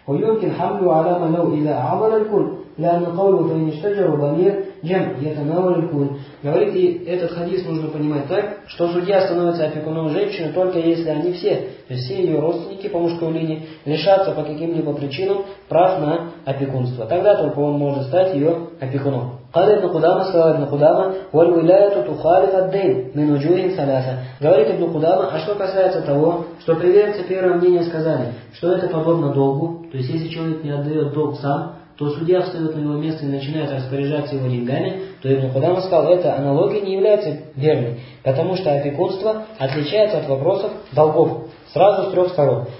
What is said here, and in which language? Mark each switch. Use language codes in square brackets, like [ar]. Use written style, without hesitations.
[ru] Хуйонкин хамлю алама лау иля амалалькуль, ляна каулу тайништаджару балир джем, ята наулалькуль. Говорит, и этот хадис нужно понимать так, что судья становится опекуном женщины, только если они все, то есть все ее родственники по мужской линии, лишатся по каким-либо причинам прав на опекунство. Тогда только он может стать ее опекуном. [ar] قال ابن قدامة سؤال ابن قدامة والولاية تخالف الدين من وجوه ثلاثة. [ru] Говорит ابن قدامة, а что касается того, что приверженцы первого мнения сказали, что это подобно долгу, то есть если человек не отдает долг сам, то судья встает на его место и начинает распоряжаться его деньгами, то ибн Кудама сказал, эта аналогия не является верной, потому что опекунство отличается от вопросов долгов сразу с трех сторон.